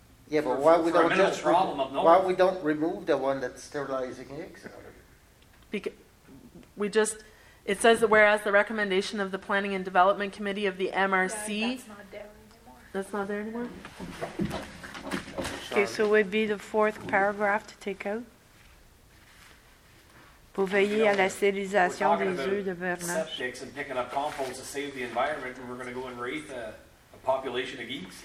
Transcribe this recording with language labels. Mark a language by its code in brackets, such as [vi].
[en] Yeah, but why we don't just why we don't remove the one that's sterilizing eggs? Because it says that whereas the recommendation of the Planning and Development Committee of the MRC. That's not there anymore. Okay, so it would be the fourth paragraph to take out. [fr] Pour veiller à la stérilisation des œufs de vernage. [en] We're talking about septics and picking up compost to save the environment, and we're going to go and raise a population of geeks.